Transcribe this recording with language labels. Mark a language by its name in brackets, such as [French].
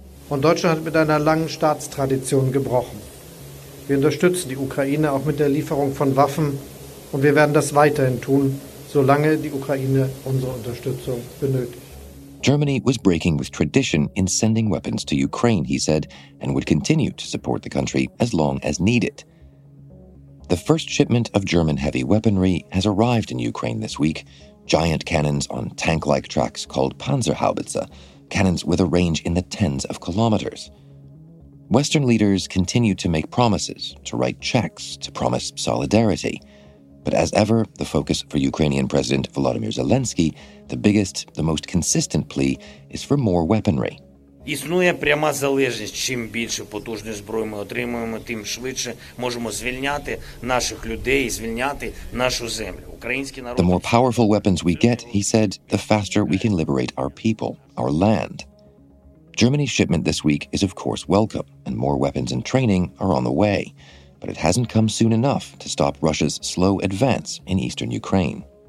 [German] Und Deutschland hat mit einer langen Staatstradition gebrochen. Wir unterstützen die Ukraine auch mit der Lieferung von Waffen und wir werden das weiterhin tun, solange die Ukraine unsere Unterstützung benötigt. [English] Germany was breaking with tradition in sending weapons to Ukraine, he said, and would continue to support the country as long as needed. The first shipment of German heavy weaponry has arrived in Ukraine this week, giant cannons on tank-like tracks called Panzerhaubitze, cannons with a range in the tens of kilometers. Western leaders continue to make promises, to write checks, to promise solidarity. But as ever, the focus for Ukrainian President Volodymyr Zelensky, the biggest, the most consistent plea, is for more weaponry. [Ukrainian] Існує пряма залежність. Чим більше потужної зброї ми отримуємо, тим швидше можемо звільняти наших людей, звільняти нашу землю. Український народ. [English] The more powerful weapons we get, he said, the faster we can liberate our people, our land. Germany's shipment this week is, of course, welcome, and more weapons and training are on the way. But it hasn't come soon enough to stop Russia's slow advance in eastern Ukraine.